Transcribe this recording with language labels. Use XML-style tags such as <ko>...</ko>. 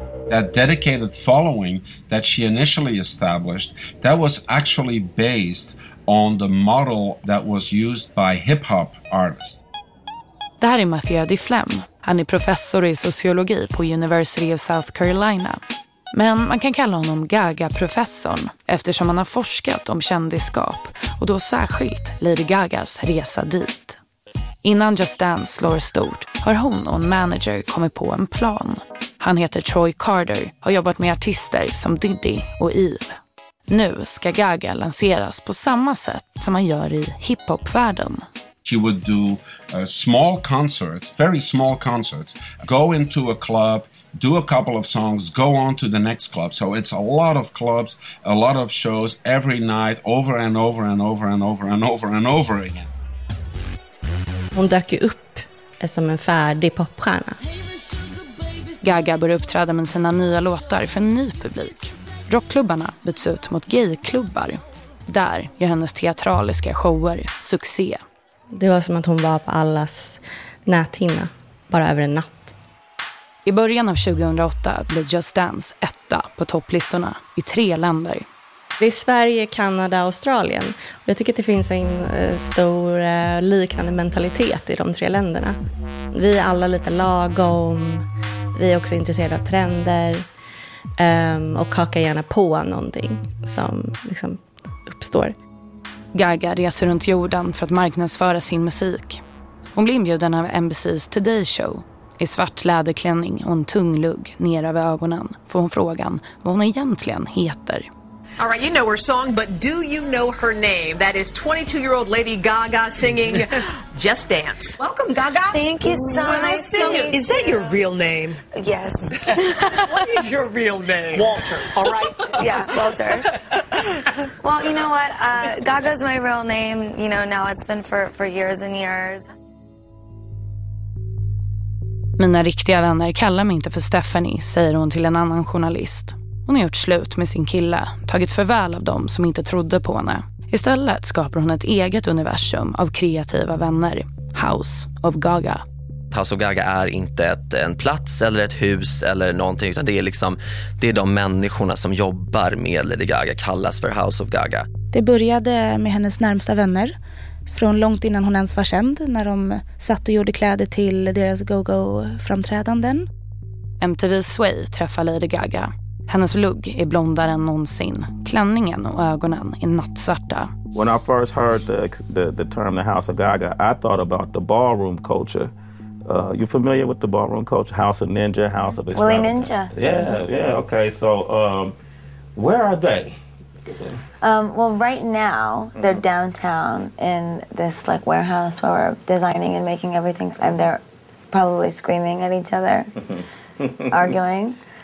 <en>That dedicated following that she initially established, that was actually based on the model that was used by hip-hop artists.</en> <sv>Det här är Mathieu Duflem. Han är professor i sociologi på University of South Carolina. Men man kan kalla honom Gaga-professorn eftersom han har forskat om kändiskap och då särskilt Lady Gagas resa dit. Innan Just Dance slår stort har hon och en manager kommit på en plan. Han heter Troy Carter, har jobbat med artister som Diddy och Eve. Nu ska Gaga lanseras på samma sätt som man gör i hiphopvärlden.</sv> <en>She would do a small concert, very small concerts. Go into a club, do a couple of songs, go on to the next club. So it's a lot of clubs, a lot of shows every night, over and over and over and over and over and over again.</en> <sv>Hon dök ju upp som en färdig popstjärna. Gaga börjar uppträda med sina nya låtar för en ny publik. Rockklubbarna byts ut mot gayklubbar. Där gör hennes teatraliska shower succé. Det var som att hon var på allas näthinna, bara över en natt. I början av 2008 blev Just Dance etta på topplistorna i tre länder. Det är Sverige, Kanada och Australien. Jag tycker att det finns en stor liknande mentalitet i de tre länderna. Vi är alla lite lagom. Vi är också intresserade av trender. Och hakar gärna på någonting som liksom uppstår. Gaga reser runt jorden för att marknadsföra sin musik. Hon blir inbjuden av NBC's Today Show. I svart läderklänning och en tung lugg ner över ögonen får hon frågan vad hon egentligen heter.</sv> <en>All right, you know her song, but do you know her name? That is 22-year-old Lady Gaga singing Just Dance. Welcome, Gaga. Thank you so much. Nice to meet you. Is that your real name? Yes. What is your real name? Walter. All right. Yeah, Walter. Well, you know what? Gaga's my real name. You know, now it's been for years and years.</en> <sv>Mina riktiga vänner kallar mig inte för Stephanie, säger hon till en annan journalist. Hon har gjort slut med sin kille, tagit farväl av dem som inte trodde på henne. Istället skapar hon ett eget universum av kreativa vänner. House of Gaga. House of Gaga är inte en plats eller ett hus eller någonting, utan det är de människorna som jobbar med Lady Gaga kallas för House of Gaga. Det började med hennes närmsta vänner från långt innan hon ens var känd, när de satt och gjorde kläder till deras go-go-framträdanden. MTV Sway träffar Lady Gaga. Hennes lugg är blondare än någonsin. Klänningen och ögonen är nattsvarta.</sv> <en>When I first heard the term the House of Gaga, I thought about the ballroom culture. You familiar with the ballroom culture? House of Ninja, House of Willy Ninja. Yeah, okay. So, where are they? Well, right now they're downtown in this like warehouse where we're designing and making everything, and they're probably screaming at each other, arguing.</en>